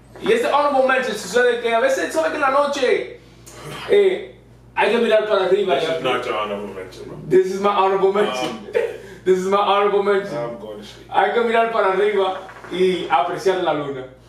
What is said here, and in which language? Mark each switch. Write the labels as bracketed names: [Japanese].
[Spanish] Y este honorable mention sucede que a veces sabes que en la noche hay que mirar para arriba. [English] This is not your honorable mention, bro. This is my honorable mention. This is my honorable mention. I'm going to sleep. [Spanish] Hay que mirar para arriba y apreciar la luna.